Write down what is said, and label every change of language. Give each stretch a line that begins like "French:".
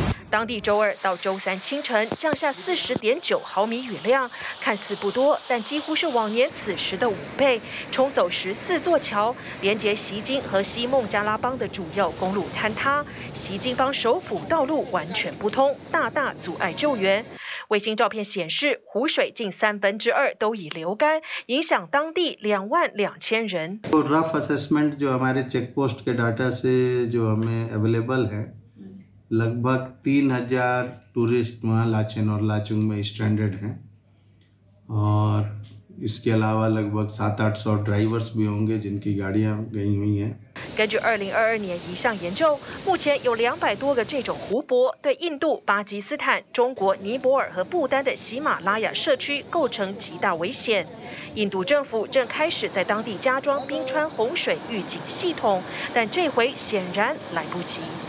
Chinese: 当地周二到周三清晨降下40.9毫米雨量，看似不多，但几乎是往年此时的5倍，冲走14座桥，连接锡金和西孟加拉邦的主要公路坍塌，锡金邦首府道路完全不通，大大阻碍救援。卫星照片显示，湖水近2/3都已流干，影响当地22000人。
English: Rough assessment
Hindi: जो हमारे check post के data से जो हमें available है, लगभग 3000 tourist वहाँ लाचेन और लाचुंग में stranded हैं, और इसके अलावा लगभग 700-800 drivers भी होंगे जिनकी गाड़ियाँ गई हुई हैं。
Chinese: 根据2022年一项研究，目前有200多个这种湖泊，对印度、巴基斯坦、中国、尼泊尔和不丹的喜马拉雅社区构成极大危险。印度政府正开始在当地加装冰川洪水预警系统，但这回显然来不及。